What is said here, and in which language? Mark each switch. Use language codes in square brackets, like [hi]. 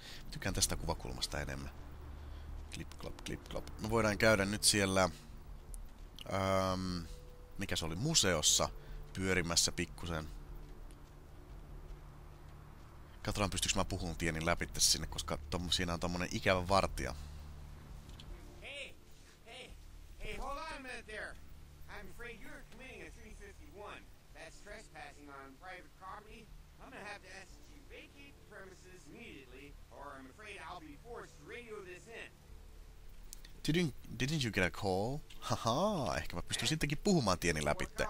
[fi] Tykkään tästä kuvakulmasta enemmän. Klip-klop, klip-klop. Me voidaan käydä nyt siellä... mikä se oli, museossa pyörimässä pikkusen. Katsotaan, pystyks mä puhun tieni läpi sinne, koska siinä on tommonen ikävä vartija. [en] Hey! Hey! Hey, hold on a minute there! I'm afraid you're committing a 351. That's trespassing on private property. I'm gonna have to ask that you vacate the premises immediately, or I'm afraid I'll be forced to radio this in. Didn't you get a call? [fi] Haha, ehkä mä pystyn sittenkin puhumaan tieni läpi.